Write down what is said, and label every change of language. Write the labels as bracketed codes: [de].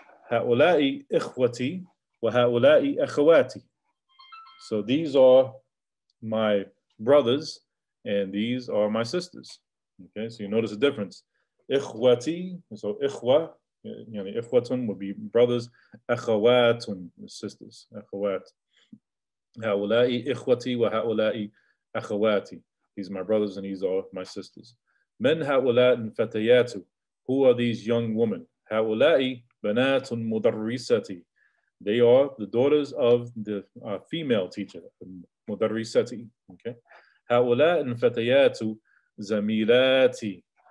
[ar] هؤلاء إخوتي وهؤلاء أخواتي. [en] So these are my brothers and these are my sisters. Okay, so you notice the difference. إخوتي, so إخوة, you know, إخوتن would be brothers. [ar] أخواتن, sisters. أخوات. هؤلاء إخوتي وهؤلاء أخواتي. [en] These are my brothers and these are my sisters. [ar] من هؤلاء الفتيات؟ [en] Who are these young women? [ar] هؤلاء بنات مدرستي. [en] They are the daughters of the female teacher, مدرستي. [ar] Okay. هؤلاء الفتيات زميلاتي.